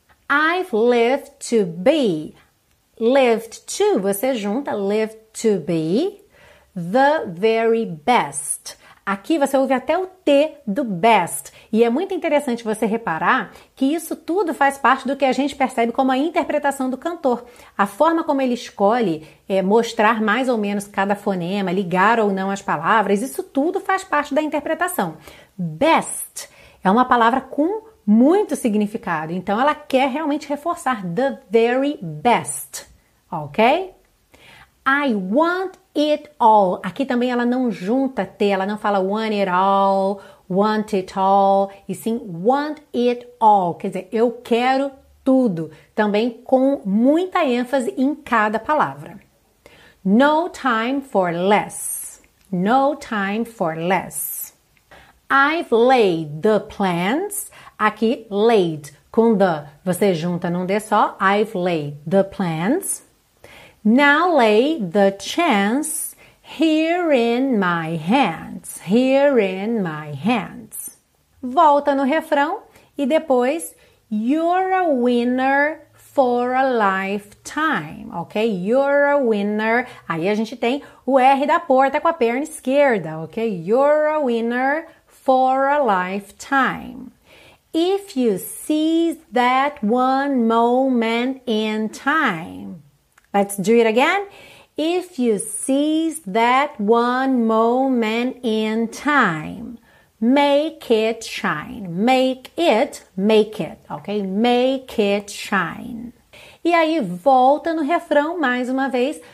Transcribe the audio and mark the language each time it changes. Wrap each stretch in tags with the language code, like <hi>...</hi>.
<en>I've lived to be, lived to, você junta, lived to be, the very best.</en> <pt>Aqui você ouve até o T do best. E é muito interessante você reparar que isso tudo faz parte do que a gente percebe como a interpretação do cantor. A forma como ele escolhe mostrar mais ou menos cada fonema, ligar ou não as palavras, isso tudo faz parte da interpretação. Best é uma palavra com muito significado. Então ela quer realmente reforçar</pt> <en>the very best,</en> <pt>ok?</pt> <en>I want it all.</en> <pt>Aqui também ela não junta T, ela não fala want it all, want it all, e sim</pt> <en>want it all.</en> <pt>Quer dizer, eu quero tudo. Também com muita ênfase em cada palavra.</pt> <en>No time for less. No time for less. I've laid the plans.</en> <pt>Aqui, laid com the, você junta num D só.</pt> <en>I've laid the plans. Now lay the chance here in my hands, here in my hands.</en> <pt>Volta no refrão e depois,</pt> <en>you're a winner for a lifetime, ok? You're a winner,</en> <pt>aí a gente tem o R da porta com a perna esquerda, ok?</pt> <en>You're a winner for a lifetime. If you seize that one moment in time. Let's do it again. If you seize that one moment in time, make it shine. Make it, ok? Make it shine.</en> <pt>E aí, volta no refrão mais uma vez.</pt>